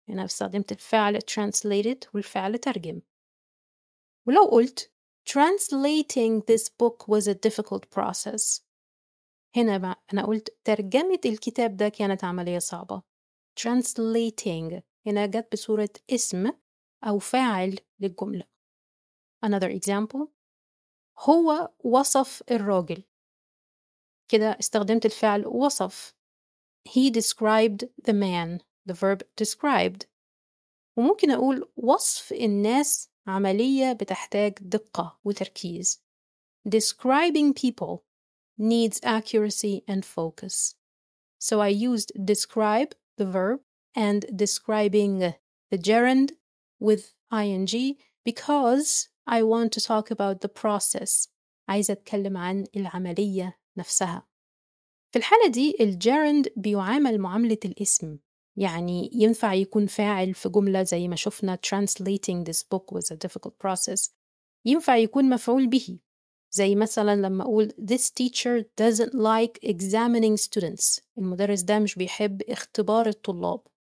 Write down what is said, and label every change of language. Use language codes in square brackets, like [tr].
[ar] هنا استخدمت الفعل translated والفعل ترجم. ولو قلت [en] translating this book was a difficult process، [ar] هنا أنا قلت ترجمة الكتاب ده كانت عملية صعبة. Translating هنا جت بصورة اسم أو فاعل للجملة. [en] Another example، [ar] هو وصف الراجل. كده استخدمت الفعل وصف. [en] He described the man، the verb described. [ar] وممكن أقول وصف الناس عملية بتحتاج دقة وتركيز. [en] Describing people needs accuracy and focus. So I used describe, the verb, and describing the gerund with ing because I want to talk about the process. [ar] عايزة أتكلم عن العملية نفسها. في الحالة دي الجيرند بيعامل معاملة الاسم، يعني ينفع يكون فاعل في جملة زي ما شفنا [en] translating this book was a difficult process، [ar] ينفع يكون مفعول به زي مثلا لما أقول [en] this teacher doesn't like examining students، [ar] المدرس ده مش بيحب اختبار الطلاب.